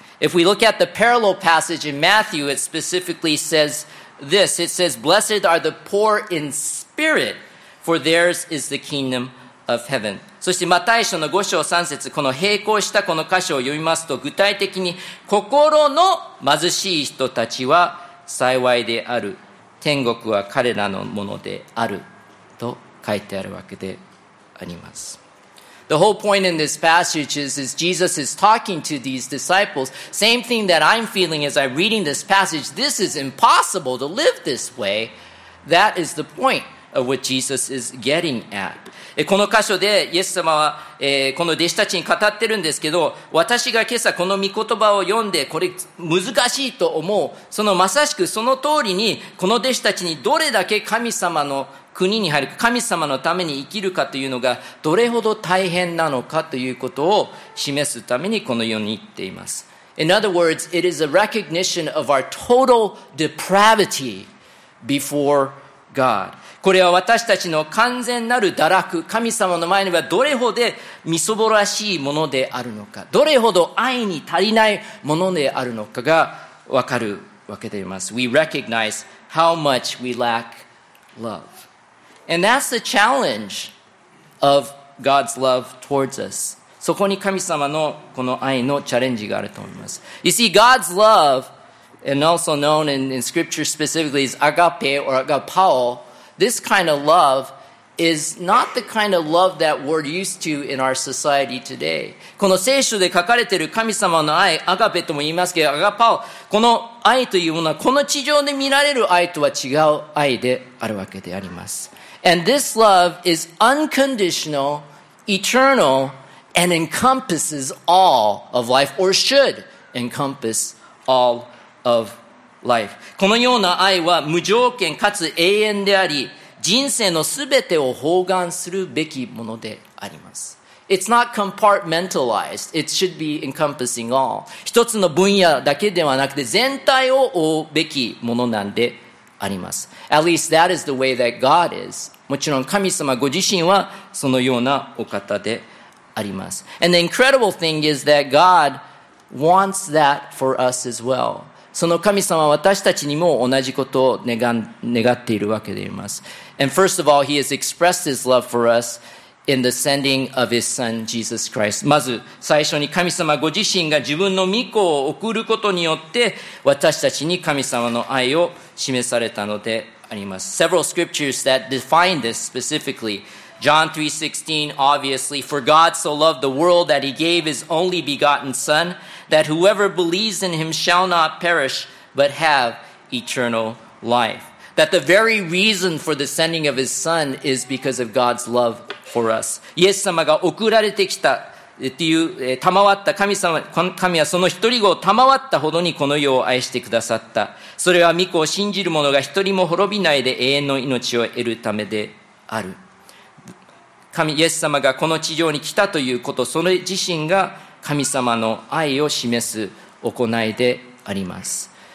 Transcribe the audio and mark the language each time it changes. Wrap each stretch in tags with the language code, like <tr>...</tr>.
<en>If we look at the parallel passage in Matthew, it specifically says this. It says, Blessed are the poor in spirit, for theirs is the kingdom of heaven.</en> <ja>そしてマタイ書の5章3節、この並行したこの箇所を読みますと、具体的に心の貧しい人たちは幸いである、天国は彼らのものであると書いてあるわけであります。</ja> <en>The whole point in this passage is Jesus is talking to these disciples. Same thing that I'm feeling as I'm reading this passage. This is impossible to live this way. That is the pointof what Jesus is getting at.</en> <ja>この箇所でイエス様は、この弟子たちに語ってるんですけど、私が今朝この御言葉を読んで、これ難しいと思う。そのまさしくその通りに、この弟子たちにどれだけ神様の国に入るか、神様のために生きるかというのがどれほど大変なのかということを示すためにこの世に言っています。</ja> <en>In other words, it is a recognition of our total depravity before God.</en> <ja>これは私たちの完全なる堕落、神様の前にはどれほどみそぼらしいものであるのか、どれほど愛に足りないものであるのかがわかるわけであります。</ja> <en>We recognize how much we lack love. And that's the challenge of God's love towards us.</en> <ja>そこに神様のこの愛のチャレンジがあると思います。</ja> <en>You see, God's love, and also known in scripture specifically is agape or agapao,This kind of love is not the kind of love that we're used to in our society today.</en> <ja>この聖書で書かれている神様の愛、アガペとも言いますけど、アガパオ、この愛というものは、この地上で見られる愛とは違う愛であるわけであります。</ja> <en>And this love is unconditional, eternal, and encompasses all of life, or should encompass all of life. Life.</en> <ja>このような愛は無条件かつ永遠であり、人生のすべてを包含するべきものであります。</ja> <en>It's not compartmentalized. It should be encompassing all.</en> <ja>一つの分野だけではなくて全体を覆うべきものなんであります。</ja> <en>At least that is the way that God is.</en> <ja>もちろん神様ご自身はそのようなお方であります。</ja> <en>And the incredible thing is that God wants that for us as well.</en> <ja>その神様は私たちにも同じことを 願っているわけであります。</ja> <en>And first of all, he has expressed his love for us in the sending of his son, Jesus Christ.</en> <ja>まず最初に神様ご自身が自分の御子を送ることによって私たちに神様の愛を示されたのであります。</ja> <en>Several scriptures that define this specifically. John 3:16, obviously, For God so loved the world that he gave his only begotten son,That whoever believes in him shall not perish, but have eternal life. That the very reason for the sending of his son is because of God's love for us.</en> <ja>イエス様が送られてきたっていう、賜った神はその一人子を賜ったほどにこの世を愛してくださった。それは御子を信じる者が一人も滅びないで永遠の命を得るためである。イエス様がこの地上に来たということ、それ自身が神様の愛を示す行いであります。</ja>